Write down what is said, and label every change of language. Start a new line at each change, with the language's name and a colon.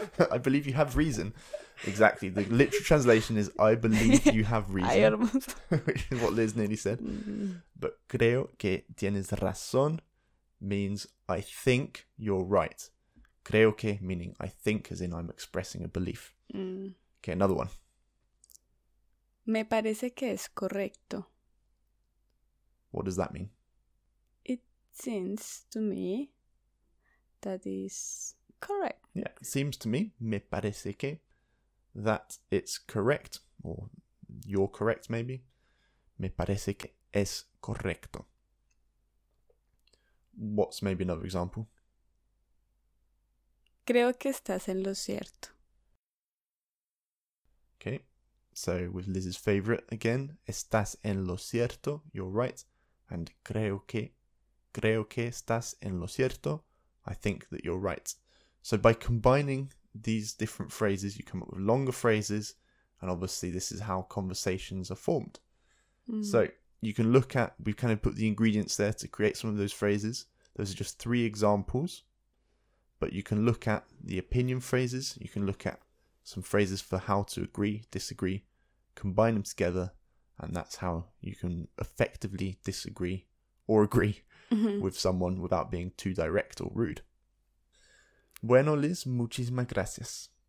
English: I believe you have reason. Exactly. The literal translation is, I believe you have reason. I almost... which is what Liz nearly said. Mm-hmm. But
Spanish: creo que tienes razón
English: means I think you're right.
Spanish: Creo que
English: meaning I think, as in I'm expressing a belief. Mm. Okay, another one.
Spanish: Me parece que es correcto.
English: What does that mean? It seems to me that is correct. Yeah, it seems to me,
Spanish: me parece que,
English: that it's correct, or you're correct maybe.
Spanish: Me parece que es correcto.
English: What's maybe another example?
Spanish: Creo que estás en lo cierto.
English: Okay, so with Liz's favorite again,
Spanish: estás en lo cierto,
English: you're right. And
Spanish: creo que estás en lo cierto,
English: I think that you're right. So by combining these different phrases, you come up with longer phrases, and obviously this is how conversations are formed. Mm. So you can look at, we've kind of put the ingredients there to create some of those phrases. Those are just three examples, but you can look at the opinion phrases, you can look at some phrases for how to agree, disagree, combine them together, and that's how you can effectively disagree or agree with someone without being too direct or rude.
Spanish: Bueno, Liz, muchísimas gracias.